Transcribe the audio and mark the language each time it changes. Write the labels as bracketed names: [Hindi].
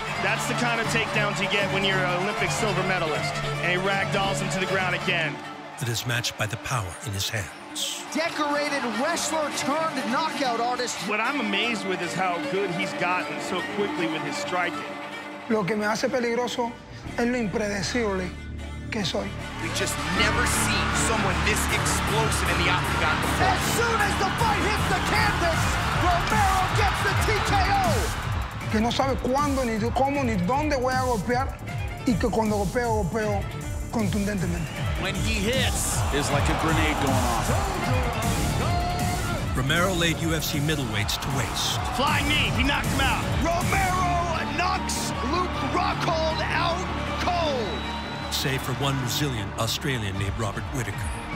[English] That's the kind of takedowns you get when you're an Olympic silver medalist. And he ragdolls him to the ground again. That is matched by the power in his hands. Decorated wrestler turned knockout artist. What I'm amazed with is how good he's gotten so quickly with his striking. [Spanish] Lo que me hace peligroso es lo impredecible que soy. [English] We've just never seen someone this explosive in the octagon before. As soon as the fight hits the canvas, Romero gets the TKO. [Spanish] Que no sabe cuándo, ni cómo, ni dónde voy a golpear, y que cuando golpeo, golpeo contundentemente. [English] When he hits, it's like a grenade going off. Romero laid UFC middleweights to waste. Flying knee, he knocked him out. Romero knocks Luke Rockhold out cold. Save for one resilient Australian named Robert Whittaker.